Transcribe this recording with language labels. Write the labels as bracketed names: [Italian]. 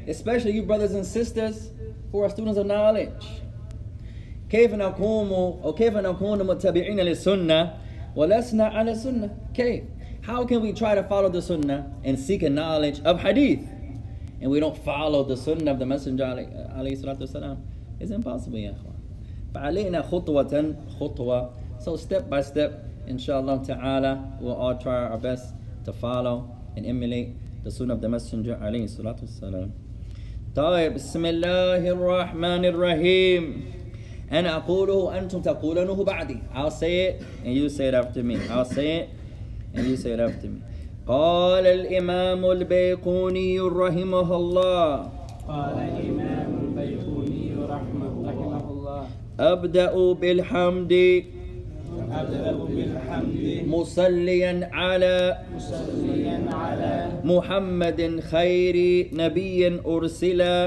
[English] Especially you brothers and sisters who are students of knowledge. [Arabic] كيف نقوم أو كيف نكون متابعين للسنة ولسنا على السنة. كيف? [English] How can we try to follow the sunnah and seek a knowledge of hadith? And we don't follow the sunnah of the Messenger alayhi salatu wasalam. It's impossible, ya akhwan. [Arabic] فَعَلَيْنَا خُطْوَةً خُطْوَةً. [English] So step by step, inshallah ta'ala, we'll all try our best to follow and emulate the sunnah of the Messenger alayhi salatu wasalam. [Arabic] طيب بسم الله الرحمن الرحيم أنا أقوله أنتم تقولونه بعدي. [English] I'll say it and you say it after me. I'll say it and you say it after me. [Arabic] قال الإمام البيقوني رحمه الله. قال الإمام البيقوني رحمه الله. أبدأ بالحمد. مصليا على محمد خير نبي أرسل